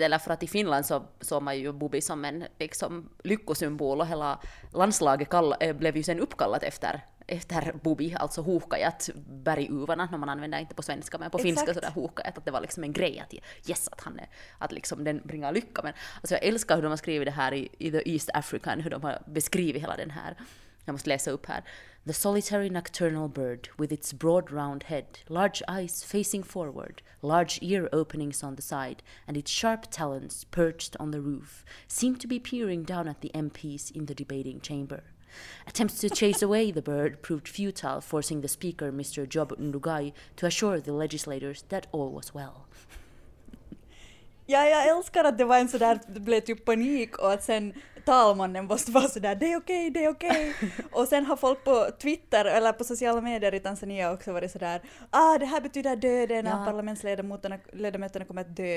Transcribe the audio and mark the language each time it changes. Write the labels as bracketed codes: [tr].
[sv] Eller för att i Finland så såg man ju Bubi som en liksom lyckosymbol. Och hela landslaget blev ju sen uppkallat efter Bubi. Alltså huhkajat, berguvarna. När man använder inte på svenska men på finska sådär huhkajat. Att det var liksom en grej att yes, att han är, att liksom den bringar lycka. Men alltså jag älskar hur de har skrivit det här i The East African. Hur de har beskrivit hela den här. Jag måste läsa upp här. [en] The solitary nocturnal bird with its broad round head, large eyes facing forward, large ear openings on the side, and its sharp talons perched on the roof, seemed to be peering down at the MPs in the debating chamber. Attempts to chase away the bird proved futile, forcing the speaker, Mr. Job Ndugai, to assure the legislators that all was well. [sv] Ja, jag älskar att det var en sån där, det blev typ panik och att sen talmannen måste vara sådär, det är okej. Och sen har folk på Twitter eller på sociala medier i Tanzania också varit sådär, ah, det här betyder döden, ja. Parlamentsledamöterna kommer att dö.